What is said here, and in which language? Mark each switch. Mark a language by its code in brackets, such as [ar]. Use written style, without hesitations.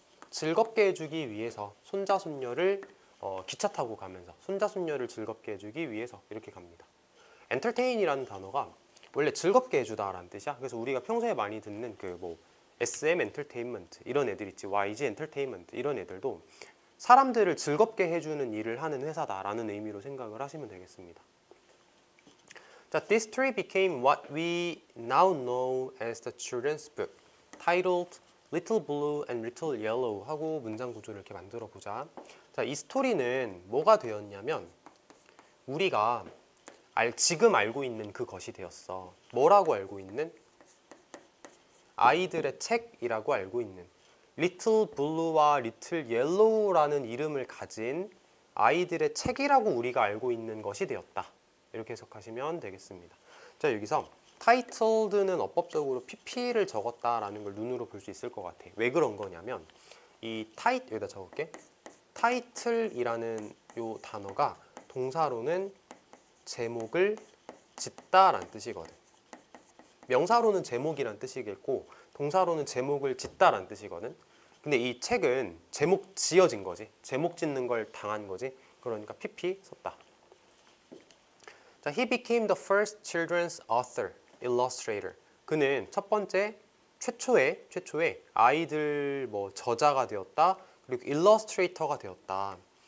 [ko] 즐겁게 해주기 위해서 손자, 손녀를 기차 타고 가면서 손자, 손녀를 즐겁게 해주기 위해서 이렇게 갑니다. entertain이라는 단어가 원래 즐겁게 해주다라는 뜻이야. 그래서 우리가 평소에 많이 듣는 그 뭐 SM entertainment 이런 애들 있지. YG entertainment 이런 애들도 사람들을 즐겁게 해주는 일을 하는 회사다라는 의미로 생각을 하시면 되겠습니다. 자, [en] this tree became what we now know as the children's book titled Little Blue and Little Yellow [ko] 하고 문장 구조를 이렇게 만들어 보자. 자, 이 스토리는 뭐가 되었냐면 우리가 지금 알고 있는 그것이 되었어. 뭐라고 알고 있는? 아이들의 책이라고 알고 있는 Little Blue와 Little Yellow라는 이름을 가진 아이들의 책이라고 우리가 알고 있는 것이 되었다. 이렇게 해석하시면 되겠습니다. 자, 여기서 titled는 어법적으로 pp를 적었다라는 걸 눈으로 볼 수 있을 것 같아. 왜 그런 거냐면 이 title 여기다 적을게. title이라는 요 단어가 동사로는 제목을 짓다라는 뜻이거든. 명사로는 제목이란 뜻이겠고 동사로는 제목을 짓다라는 뜻이거든. 근데 이 책은 제목 지어진 거지. 제목 짓는 걸 당한 거지. 그러니까 pp 썼다. [en] 자, he became the first children's author. Illustrator. [ko] 그는 첫 번째 최초의 아이들 뭐 저자가 되었다. 그리고 일러스트레이터가 되었다.